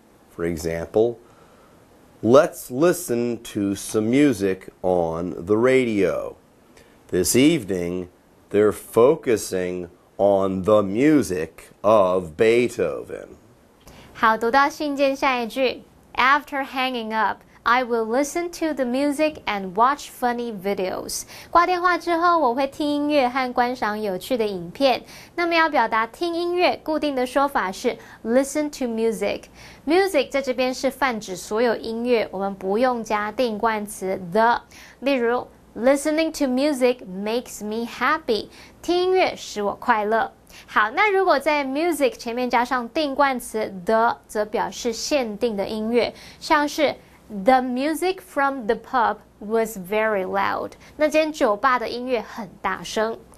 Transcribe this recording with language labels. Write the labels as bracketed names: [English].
[English] For example, let's listen to some music on the radio. This evening, they're focusing on the music of Beethoven. [Chinese] 好，读到信件下一句。 [English] After hanging up, I will listen to the music and watch funny videos. [Chinese] 挂电话之后，我会听音乐和观赏有趣的影片。那么要表达听音乐，固定的说法是 [English] listen to music. [Chinese] Music 在这边是泛指所有音乐，我们不用加定冠词 the。例如 [English] ，listening to music makes me happy. [Chinese] 听音乐使我快乐。好，那如果在 music 前面加上定冠词 the， 则表示限定的音乐，像是。 [English] The music from the pub was very loud. [Chinese] 那间酒吧的音乐很大声。